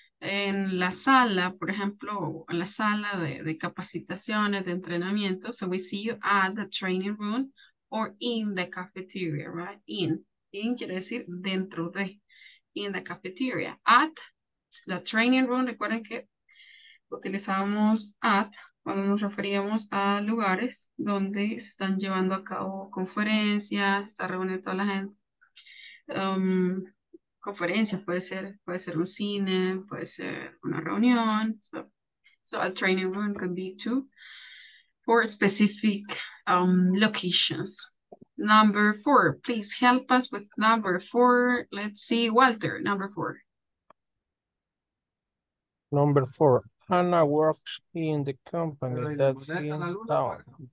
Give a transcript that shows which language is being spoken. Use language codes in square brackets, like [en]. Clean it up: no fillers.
[es] En la sala, por ejemplo, en la sala de capacitaciones, de entrenamiento. [en] So we see you at the training room or in the cafeteria, right? [es] In quiere decir dentro de, [en] in the cafeteria. At the training room, [es] recuerden que utilizamos at cuando nos referíamos a lugares donde se están llevando a cabo conferencias, se está reuniendo toda la gente. Conferencias, puede ser un cine, puede ser una reunión. [en] So a training room could be too, for specific locations. Number four, please help us with number four. Let's see, Walter, number four. Number four. Anna works in the company that's in town.